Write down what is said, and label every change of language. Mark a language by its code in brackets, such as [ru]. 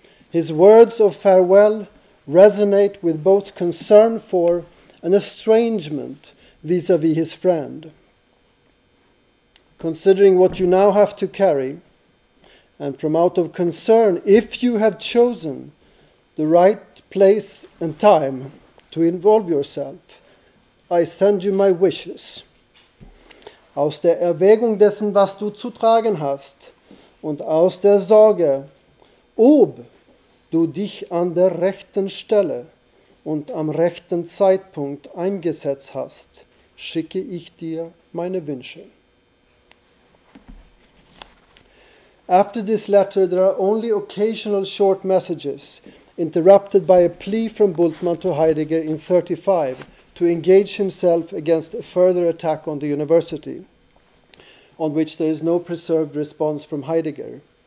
[en] His words of farewell resonate with both concern for and estrangement vis-à-vis his friend. Considering what you now have to carry, and from out of concern, if you have chosen the right place and time to involve yourself, I send you my wishes. [de] Aus der Erwägung dessen, was du zu tragen hast, und aus der Sorge, ob du dich an der rechten Stelle und am rechten Zeitpunkt eingesetzt hast, schicke ich dir meine Wünsche. [en] After this letter, there are only occasional short messages, interrupted by a plea from Bultmann to Heidegger in 35 to engage himself against a further attack on the university, on which there is no preserved response from Heidegger.